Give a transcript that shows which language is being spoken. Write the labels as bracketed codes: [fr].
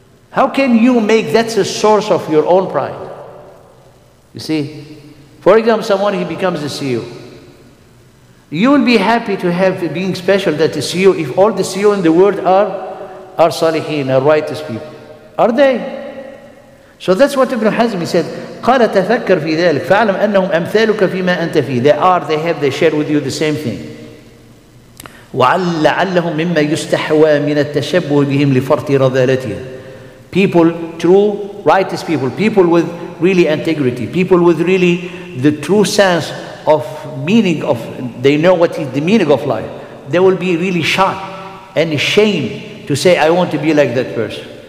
[en] How can you make that a source of your own pride? You see, for example, someone, he becomes a CEO. You will be happy to have being special that the CEO, if all the CEO in the world are salihin, are righteous people. Are they? So that's what Ibn Hazm, he said, [ar] قَالَ تَفَكَّرْ فِي ذَلِكَ فَعْلَمْ أَنَّهُمْ أَمْثَالُكَ فِي مَا أَنْتَ فِيهِ. [en] They are, they have, they share with you the same thing. [ar] وَعَلَّهُمْ مِمَّا يُسْتَحْوَى مِنَ التَّشَبُّهِ بِهِمْ لِفَرْطِ رَذَالَتِهِ. [en] People, true, righteous people, people with really integrity, people with really the true sense of meaning of, they know what is the meaning of life, they will be really shocked and ashamed to say, I want to be like that person.